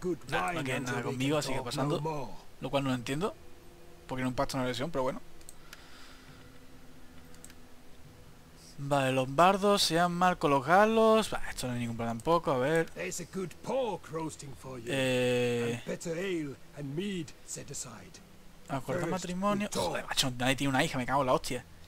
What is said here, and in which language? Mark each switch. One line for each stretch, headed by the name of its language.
Spanish: Nah, no quieren nada conmigo, así que pasando. Lo cual no lo entiendo. Porque era un pacto de agresión, pero bueno. Vale, los bardos se han mal colocarlos. Bah, esto no hay ningún problema tampoco, a ver.
English: There's a good pork roasting for you. And better ale and mead set aside.
Spanish: Acordar matrimonio. Joder, macho, nadie tiene una hija, me cago en la hostia.